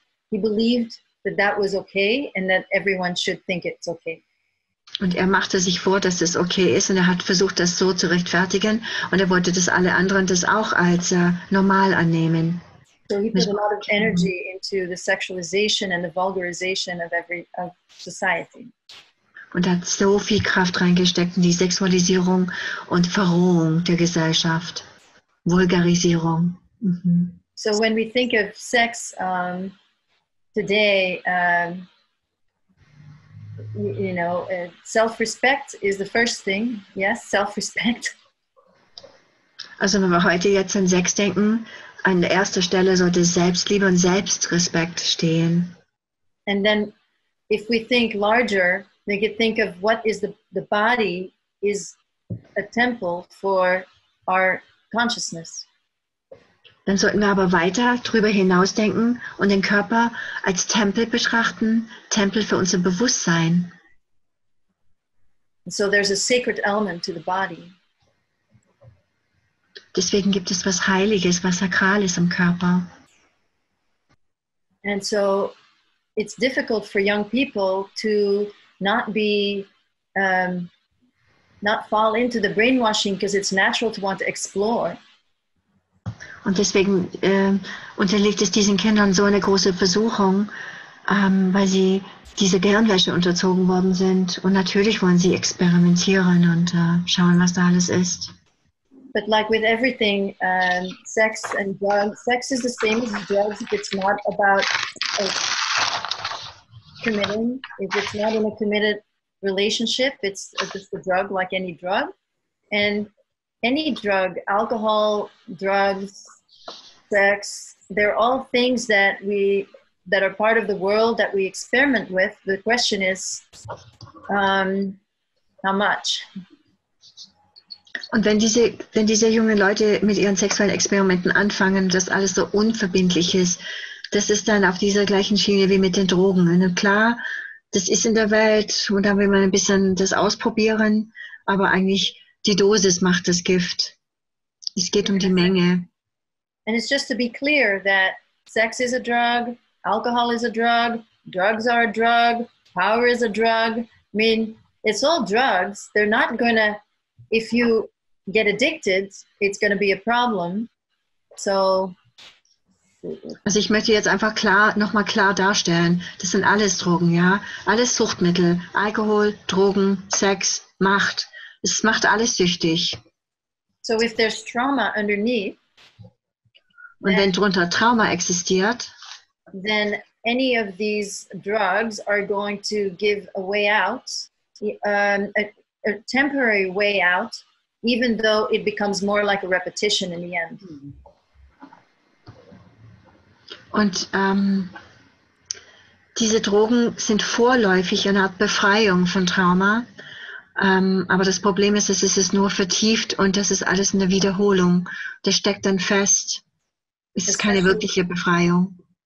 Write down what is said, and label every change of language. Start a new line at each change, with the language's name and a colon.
English: He believed that was okay and that everyone should think it's okay.
German: Und er machte sich vor, dass es okay ist und er hat versucht, das so zu rechtfertigen und er wollte, dass alle anderen das auch als normal annehmen.
English: So he put a lot of energy into the sexualization and the vulgarization of society.
German: Und hat so viel Kraft reingesteckt in die Sexualisierung und Verrohung der Gesellschaft. Vulgarisierung. Mhm.
English: So when we think of sex today, you know, self-respect is the first thing. Yes, self-respect.
German: Also wenn wir heute jetzt an Sex denken, an erster Stelle sollte Selbstliebe und Selbstrespekt stehen.
English: And then if we think larger, we could think of what is the body is a temple for our consciousness.
German: Dann sollten wir aber weiter drüber hinausdenken und den Körper als Tempel betrachten, Tempel für unser Bewusstsein.
English: So there's a sacred element to the body.
German: Deswegen gibt es was Heiliges, was Sakrales im Körper.
English: And so it's difficult for young people to not be not fall into the brainwashing because it's natural to want to explore.
German: Und deswegen unterliegt es diesen Kindern so eine große Versuchung, weil sie dieser Gehirnwäsche unterzogen worden sind. Und natürlich wollen sie experimentieren und schauen, was da alles ist.
English: But like with everything, sex and drugs, sex is the same as drugs if it's not about committing. If it's not in a committed relationship, it's just a drug like any drug. And any drug, alcohol, drugs, sex, they're all things that we, that are part of the world that we experiment with. The question is, how much?
German: Und wenn diese jungen Leute mit ihren sexuellen Experimenten anfangen, das alles so unverbindlich ist, das ist dann auf dieser gleichen Schiene wie mit den Drogen. Und klar, das ist in der Welt und da will man ein bisschen das ausprobieren, aber eigentlich die Dosis macht das Gift. Es geht um die Menge.
English: And it's just to be clear that sex is a drug, alcohol is a drug, drugs are a drug, power is a drug. I mean, it's all drugs. They're not going to, if you get addicted, it's going to be a problem. So.
German: Also ich möchte jetzt einfach klar darstellen, das sind alles Drogen, ja? Alles Suchtmittel, Alkohol, Drogen, Sex, Macht. Es macht alles süchtig.
English: So if there's trauma underneath,
German: und wenn drunter Trauma existiert,
English: then any of these drugs are going to give a way out, a temporary way out, even though it becomes more like a repetition in the end.
German: Und diese Drogen sind vorläufig eine Art Befreiung von Trauma. Aber das Problem ist, es ist nur vertieft und das ist alles eine Wiederholung. Das steckt dann fest. Es ist keine wirkliche Befreiung.